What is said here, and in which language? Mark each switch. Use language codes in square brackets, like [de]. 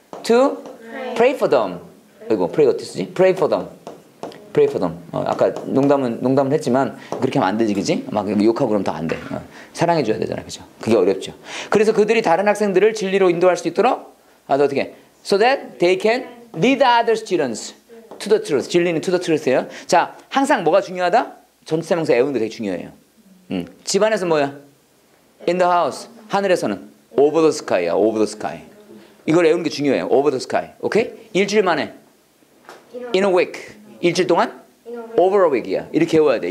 [en] To pray for them. [ko] 그리고 [en] pray [ko] 어떻게 쓰지? [en] Pray for them. Pray for them. [ko] 아까 농담은 했지만 그렇게 하면 안 되지, 그지? 막 욕하고 그러면 다 안 돼. 사랑해 줘야 되잖아, 그죠? 그게 어렵죠. 그래서 그들이 다른 학생들을 진리로 인도할 수 있도록 어떻게? [en] So that they can lead other students to the truth. [ko] 진리는 [en] to the truth [ko] 예요. 자, 항상 뭐가 중요하다? 전치사명사 애우는 게 되게 중요해요. 집안에서 뭐야? [en] In the house. [ko] 하늘에서는? [en] Over the sky야. Over the sky. [ko] 이걸 애우는 게 중요해요. [en] Over the sky. [ko] 오케이? 일주일 만에? [en] In a week. [ko] 일주일 동안? [en] Over a week이야. [ko] 이렇게 외워야 돼.